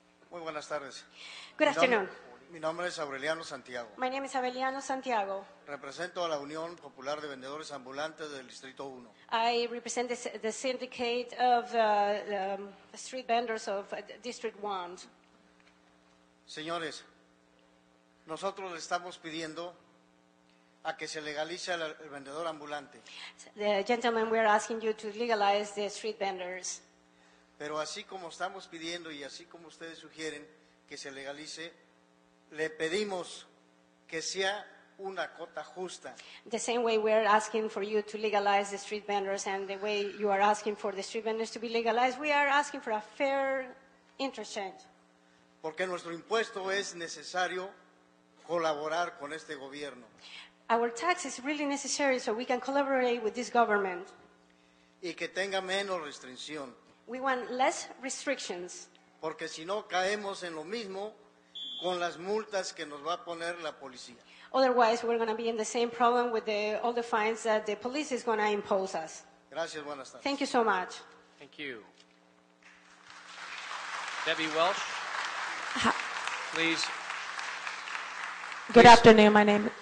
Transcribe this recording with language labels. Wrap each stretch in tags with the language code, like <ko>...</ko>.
<es>Muy buenas tardes.</es> <en>Good afternoon.</en> <es>Mi nombre es Aureliano Santiago.</es> <en>My name is Aureliano Santiago.</en> <es>Represento a la Unión Popular de Vendedores Ambulantes del Distrito 1.</es> <en>I represent the syndicate of street vendors of District 1.</en> <es>Señores, nosotros estamos pidiendo a que se legalice el vendedor ambulante.</es> <en>The gentlemen, we are asking you to legalize the street vendors.</en> <es>Pero así como estamos pidiendo y así como ustedes sugieren que se legalice, le pedimos que sea una cota justa.</es> <en>The same way we're asking for you to legalize the street vendors and the way you are asking for the street vendors to be legalized, we are asking for a fair interchange.</en> <es>Porque nuestro impuesto es necesario colaborar con este gobierno.</es> <en>Our tax is really necessary so we can collaborate with this government.</en> <es>y que tenga menos restricción.</es> <en>We want less restrictions.</en> <es>Porque si no caemos en lo mismo con las multas que nos va a poner la policía.</es> <en>Otherwise, we're going to be in the same problem with the, all the fines that the police is going to impose us.</en> <es>Gracias, buenas tardes.</es> <en>Thank you so much. Thank you. Debbie Welsh, please. Good please. Afternoon. My name.</en>